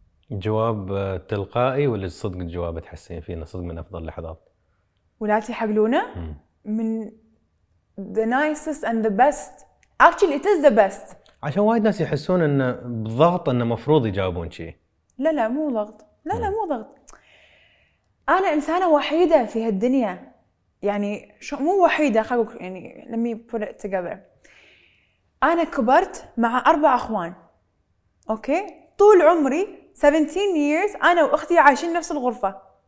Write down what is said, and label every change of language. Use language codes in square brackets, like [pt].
[ar] جواب تلقائي ولا صدق الجواب تحسين فيه إنه صدق من أفضل لحظات؟ ولادتي حق لونا من [en] the nicest and the best. Actually it is the best. [ar] عشان وايد ناس يحسون ان بضغط ان مفروض يجاوبون شيء. لا لا مو ضغط. لا لا مو ضغط. انا انسانه وحيده في هالدنيا يعني شو مو وحيده خلق يعني [en] let me put it together. [ar] انا كبرت مع 4 اخوان. اوكي طول عمري [en] 17 years [ar] انا واختي عايشين نفس الغرفه.